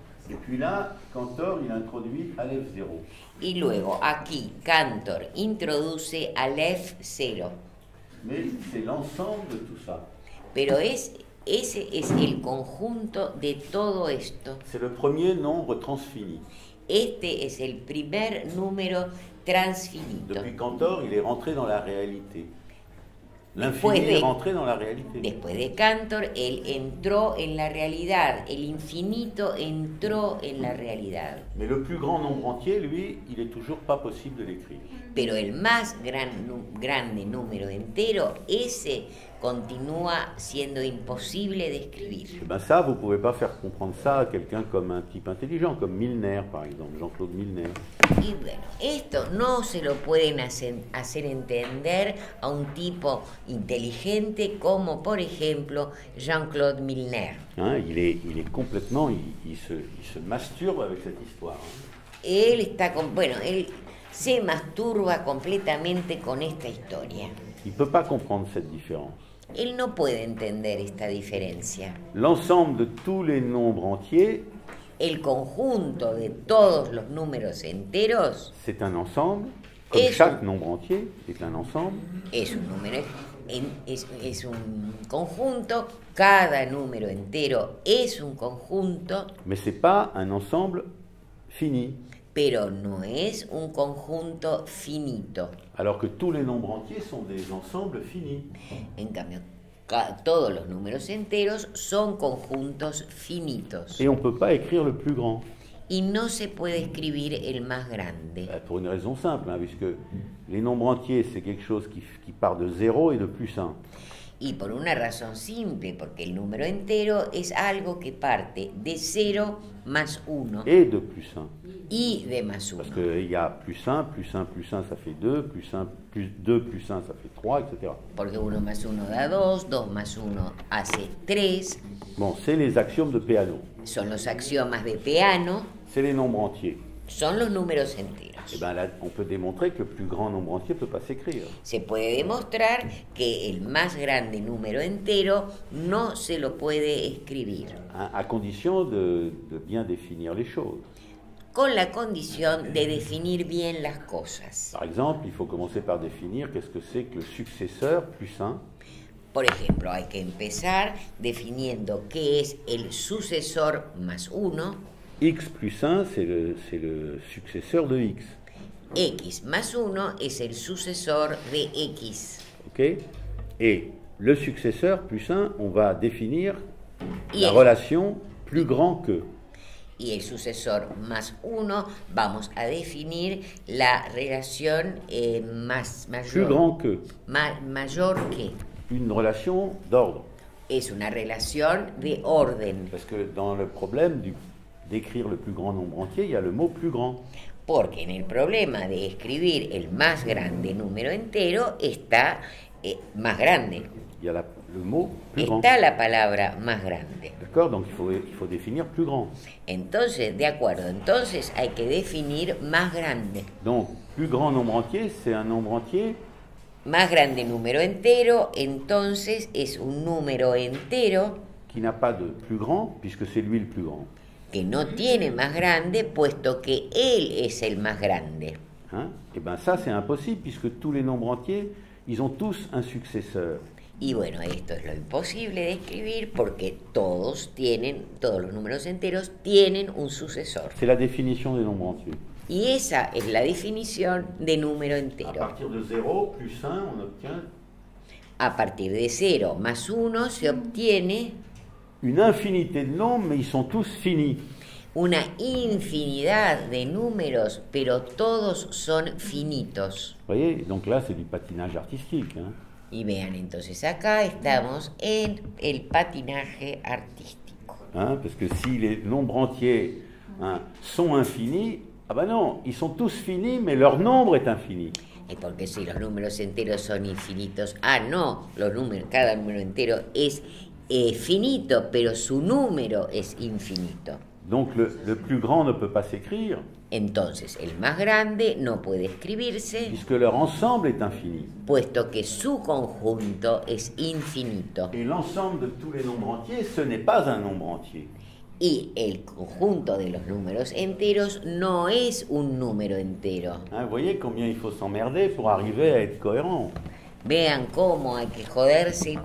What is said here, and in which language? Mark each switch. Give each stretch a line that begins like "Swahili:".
French: Et puis là, Cantor il introduit Aleph 0.
Spanish: Y luego aquí Cantor introduce Aleph 0.
French: Mais c'est l'ensemble de tout ça.
Spanish: Pero ese es el conjunto de todo esto.
French: C'est le premier nombre transfini.
Spanish: Este es el primer número transfinito.
French: Depuis Cantor, il est rentré dans la réalité. L'infini est rentré dans la réalité.
Spanish: Después de Cantor, él entró en la realidad. El infinito entró en la realidad.
French: Mais le plus grand nombre entier, lui, il est toujours pas possible de l'écrire.
Spanish: Pero el más grande número entero, ese continúa siendo imposible de escribir.
French: Et ben ça, vous pouvez pas faire comprendre ça à quelqu'un comme un type intelligent, comme Milner, par exemple, Jean-Claude Milner.
Spanish: Y bueno, esto no se lo pueden hacer entender a un tipo inteligente como, por ejemplo, Jean-Claude Milner.
French: Hein, il est complètement, il se masturbe avec cette histoire.
Spanish: Él está con, bueno, él se masturba completamente con esta historia.
French: Il peut pas comprendre cette différence.
Spanish: Él no puede entender esta diferencia.
French: L'ensemble de tous les nombres entiers.
Spanish: El conjunto de todos los números enteros.
French: C'est un ensemble. Comme chaque nombre entier est un ensemble.
Spanish: Es un número, es un conjunto. Cada número entero es un conjunto.
French: Mais c'est pas un ensemble fini.
Spanish: Pero no es un conjunto finito.
French: Alors que tous les nombres entiers sont des ensembles finis.
Spanish: En cambio, todos los números enteros son conjuntos finitos.
French: Et on peut pas écrire le plus grand.
Spanish: Y no se puede escribir el más grande.
French: Bah, pour une raison simple, hein, puisque les nombres entiers, c'est quelque chose qui part de zéro et de plus un.
Spanish: Y por una razón simple, porque el número entero es algo que parte de 0 más 1.
French: Et de plus 1.
Spanish: Y de más 1.
French: Parce qu'il y a plus 1, plus 1, plus 1, ça fait 2, plus 1, plus 2, plus 1, ça fait 3, etc.
Spanish: Porque 1 más 1 da 2, 2 más 1 hace 3.
French: Bon, c'est les axiomes de Peano.
Spanish: Son los axiomas de Peano.
French: C'est les nombres entiers.
Spanish: Son los números enteros.
French: Et ben là, on peut démontrer que le plus grand nombre entier ne peut pas s'écrire.
Spanish: Se puede demostrar que el más grande número entero no se lo puede escribir.
French: À condition de bien définir les choses.
Spanish: Con la condición de definir bien las cosas.
French: Par exemple, il faut commencer par définir qu'est-ce que c'est que le successeur plus un.
Spanish: Por ejemplo, hay que empezar definiendo qué es el sucesor más uno.
French: X plus 1, c'est le successeur de X.
Spanish: X más 1 es el sucesor de X. Ok.
French: Et le successeur plus 1, on va définir la relation plus grand que.
Spanish: Y el sucesor más 1, vamos a definir la relación más mayor.
French: Plus grand que.
Spanish: Mayor que.
French: Une relation d'ordre.
Spanish: Es una relación de orden.
French: Parce que dans le problème d'écrire le plus grand nombre entier, il y a le mot plus grand.
Spanish: Porque en el problema de escribir el más grande número entero está más grande.
French: Il y a le mot plus
Spanish: está
French: grand.
Spanish: Está la palabra más grande.
French: D'accord, donc il faut définir plus grand.
Spanish: Entonces, de acuerdo, entonces hay que definir más grande.
French: Donc, plus grand nombre entier, c'est un nombre entier.
Spanish: Más grande número entero, entonces es un número entero.
French: Qui n'a pas de plus grand, puisque c'est lui le plus grand.
Spanish: Que no tiene más grande, puesto que él es el más grande. Hein?
French: Et bien ça, c'est impossible, puisque tous les nombres entiers, ils ont tous un successeur.
Spanish: Y bueno, esto es lo imposible de escribir, porque todos los números enteros tienen un sucesor.
French: C'est la définition des nombres entiers.
Spanish: Y esa es la definición de número entero.
French: A partir de 0 plus 1, on obtient.
Spanish: A partir de 0 más 1 se obtiene.
French: Une infinité de nombres, mais ils sont tous finis.
Spanish: Una infinidad de números, pero todos son finitos.
French: Vous voyez, donc là, c'est du patinage artistique. Hein?
Spanish: Y vean, entonces acá estamos en el patinaje artístico. Hein?
French: Parce que si les nombres entiers hein, sont infinis, ah ben non, ils sont tous finis, mais leur nombre est infini.
Spanish: Et porque si los números enteros son infinitos, ah no, los números, cada número entero es infinito. est finito, pero su número es infinito.
French: Donc le plus grand ne peut pas s'écrire.
Spanish: Entonces, el más grande no puede escribirse.
French: Puisque leur ensemble est infini.
Spanish: Puesto que su conjunto es infinito.
French: Et l'ensemble de tous les nombres entiers, ce n'est pas un nombre entier.
Spanish: Y el conjunto de los números enteros no es un número entero.
French: Hein, voyez combien il faut s'emmerder pour arriver à être cohérent.
Spanish: Vean cómo hay que joderse